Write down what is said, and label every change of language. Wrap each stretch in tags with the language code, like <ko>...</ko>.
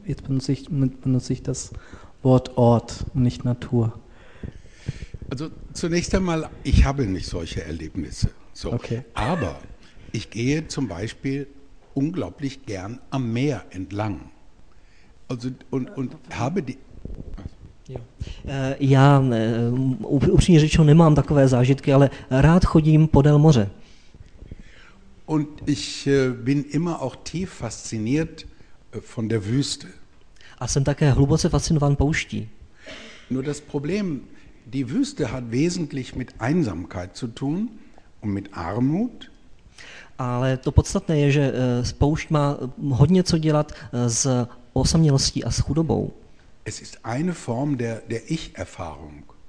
<de>Jetzt benutze ich das Wort Ort und nicht Natur. Also zunächst einmal, ich habe nicht solche Erlebnisse. So. Okay. Aber ich gehe zum Beispiel unglaublich gern am Meer entlang. Also und habe die.</de> <cs>Já upřímně řečeno nemám takové zážitky, ale rád chodím podél moře.</cs> <de>Und ich bin immer auch tief fasziniert von der Wüste.</de> <cs>A jsem také hluboce fascinován pouští.</cs> <de>Nur das Problem, die Wüste hat wesentlich mit Einsamkeit zu tun und mit Armut.</de> <cs>Ale to podstatné je, že poušť má hodně co dělat s osamělostí a s chudobou.</cs> <de>Es ist eine Form der Ich-Erfahrung.</de>